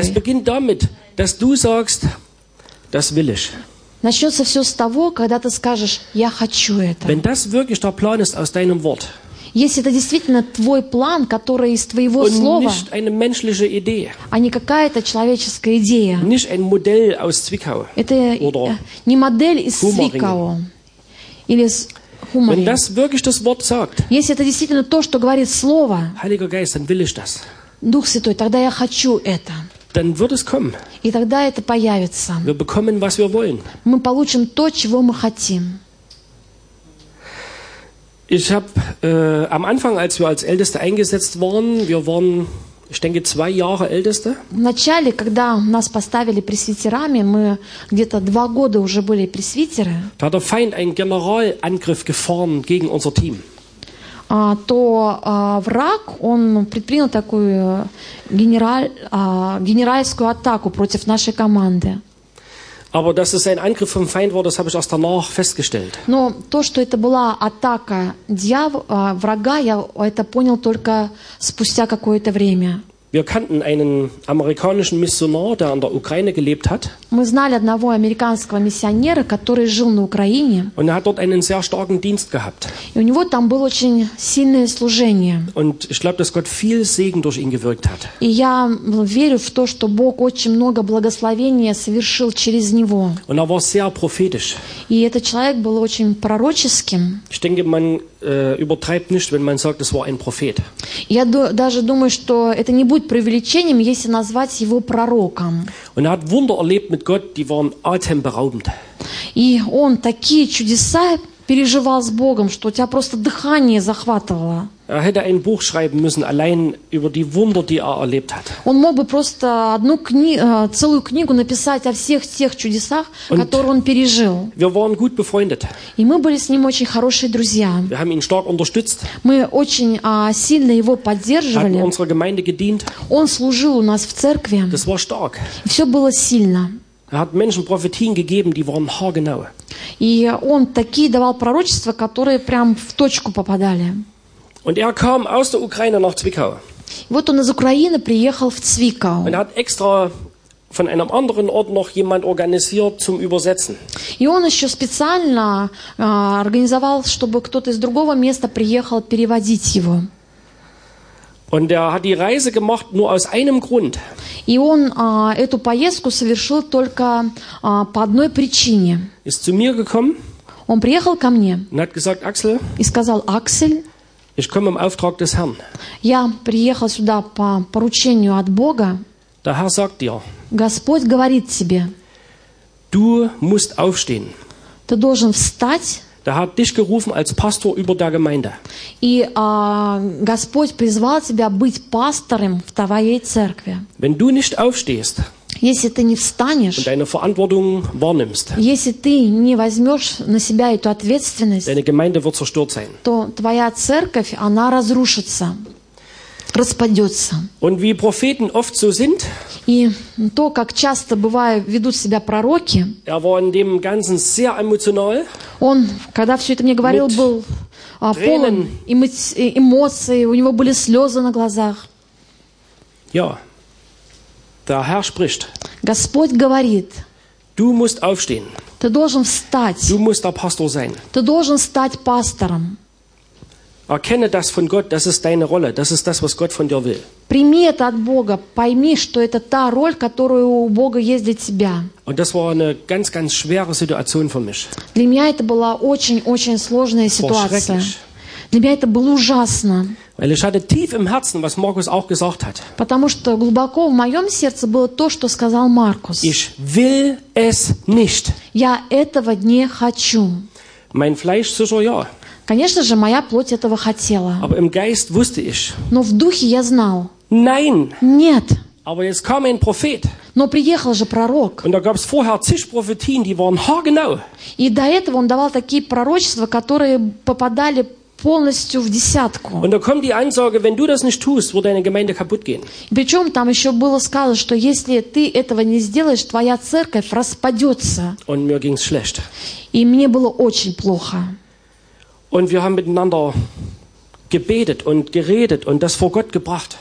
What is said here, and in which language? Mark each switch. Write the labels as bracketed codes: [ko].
[de] Es beginnt damit, dass du sagst, das will ich. [ru] Начнется все с того, когда ты скажешь, я хочу это. [de] Wenn das wirklich der Plan ist aus deinem Wort. [ru] Если это действительно твой план, который из твоего [de] Und [ru] слова, [de] nicht eine menschliche Idee. [ru] А не какая-то человеческая идея. [de] Nicht ein Modell aus Zwickau. [ru] Это не модель из Zwickau. Или из [de] Kummer Wenn das wirklich das Wort sagt, [ru] если это действительно то, что говорит Слово, [de] Heiliger Geist, dann will ich das. [ru] Дух Святой, тогда я хочу это. [de] Dann wird es kommen. [ru] И тогда это появится. [de] Wir bekommen, was wir wollen. [ru] Мы получим то, чего мы хотим. [de] Ich habe am Anfang, als wir als Älteste eingesetzt wurden, wir waren, ich denke, 2 Jahre Älteste. [ru] В начале, когда нас поставили пресвитерами, мы где-то 2 года уже были пресвитеры. [de] Da hat der Feind einen Generalangriff gefahren gegen unser Team. [ru] Враг, он предпринял такую генеральскую атаку против нашей команды. [de] Aber dass es ein Angriff vom Feind war, das habe ich erst danach festgestellt. [ru] Но то, что это была атака врага, я это понял только спустя какое-то время. [de] Wir kannten einen amerikanischen Missionar, der in der Ukraine gelebt hat. [ru] Мы знали одного американского миссионера, который жил на Украине. [de] Und er hat dort einen sehr starken Dienst gehabt. [ru] И у него там было очень сильное служение. [de] Und ich glaube, dass Gott viel Segen durch ihn gewirkt hat. [ru] И я верю в то, что Бог очень много благословения совершил через него. [de] Und er war sehr prophetisch. [ru] И этот человек был очень пророческим. [de] Ich denke, man übertreibt nicht, wenn man sagt, es war ein Prophet. [ru] Я даже думаю, что это не будет преувеличением, если назвать его пророком. [de] Und er hat Wunder erlebt mit Gott, die waren atemberaubend. [ru] И он такие чудеса переживал с Богом, что у тебя просто дыхание захватывало. [de] Er hätte ein Buch schreiben müssen, allein über die Wunder, die er erlebt hat. [ru] Он мог бы просто целую книгу написать о всех тех чудесах, которые он пережил. [de] Wir waren gut befreundet. [ru] И мы были с ним очень хорошие друзья. [de] Wir haben ihn stark unterstützt. [ru] Мы очень сильно его поддерживали. [de] Hatten unserer Gemeinde gedient. [ru] Он служил у нас в церкви. [de] Das war stark. [ru] И все было сильно. [de] Er hat Menschen Prophetien gegeben, die waren haargenau. [ru] И он такие давал пророчества, которые прям в точку попадали. [de] Und er kam aus der Ukraine nach Zwickau. [ru] Вот он из Украины приехал в Цвикау. [de] Und er hat extra von einem anderen Ort noch jemand organisiert zum Übersetzen. [ru] И он еще специально организовал, чтобы кто-то из другого места приехал переводить его. [de] Und er hat die Reise gemacht nur aus einem Grund. [ru] И он эту поездку совершил только по одной причине. [de] Ist zu mir gekommen. [ru] Он приехал ко мне. [de] Und hat gesagt, Axel. [ru] И сказал, Аксель. [de] Ich komme im Auftrag des Herrn. [ru] Я приехал сюда по поручению от Бога. [de] Der Herr sagt dir. [ru] Господь говорит тебе. [de] Du musst aufstehen. [ru] Ты должен встать. [de] Der hat dich gerufen als Pastor über der Gemeinde. [ru] И Господь призвал тебя быть пастором в твоей церкви. [de] Wenn du nicht aufstehst. [ru] Если ты не встанешь, [de] deine Verantwortung wahrnimmst, [ru] если ты не возьмешь на себя эту ответственность, [de] deine Gemeinde wird zerstört sein. [ru] То твоя церковь, она разрушится, распадется. [de] Und wie Propheten oft so sind, [ru] и то, как часто бывает, ведут себя пророки, [de] er war in dem Ganzen sehr emotional, [ru] он, когда все это мне говорил, был полон эмоций, у него были слезы на глазах. [de] Ja. Der Herr spricht. [ru] Господь говорит. [de] Du musst aufstehen. [ru] Ты должен встать. [de] Du musst der Pastor sein. [ru] Ты должен стать пастором. [de] Erkenne das von Gott, das ist deine Rolle, das ist das, was Gott von dir will. [ru] Прими это от Бога, пойми, что это та роль, которую у Бога есть для тебя. [de] Und das war eine ganz, ganz schwere Situation für mich. [ru] Для меня это была очень-очень сложная ситуация. Для меня это было ужасно. [de] Weil ich hatte tief im Herzen, was Markus auch gesagt hat. [ru] Потому что глубоко в моем сердце было то, что сказал Маркус. [de] Ich will es nicht. [ru] Я этого не хочу. [de] Mein Fleisch sicher ja. [ru] Конечно же, моя плоть этого хотела. [de] Aber im Geist wusste ich. [ru] Но в духе я знал. [de] Nein. [ru] Нет. [de] Aber jetzt kam ein Prophet. [ru] Но приехал же пророк. [de] Und da gab's vorher zig Prophetien, die waren haargenau. [ru] И до этого он давал такие пророчества, которые попадали полностью в десятку. [de] Und da kommt die Ansage, wenn du das nicht tust, wird deine Gemeinde kaputt gehen. [ru] Причем там еще было сказано, что если ты этого не сделаешь, твоя церковь распадется. [de] Und mir ging's schlecht. [ru] И мне было очень плохо. [de] Und wir haben miteinander gebetet und geredet und das vor Gott gebracht.